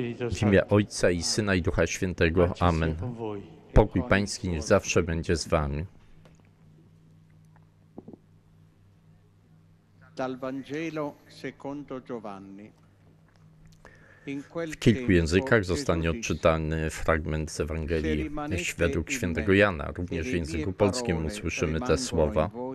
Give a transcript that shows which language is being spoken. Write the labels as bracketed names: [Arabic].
[Polish] W imię Ojca i Syna i Ducha Świętego. Amen. Pokój Pański niech zawsze będzie z wami. [Italian] Dal Vangelo secondo Giovanni. [Polish] W kilku językach zostanie odczytany fragment z Ewangelii według świętego Jana. Również w języku polskim usłyszymy te słowa.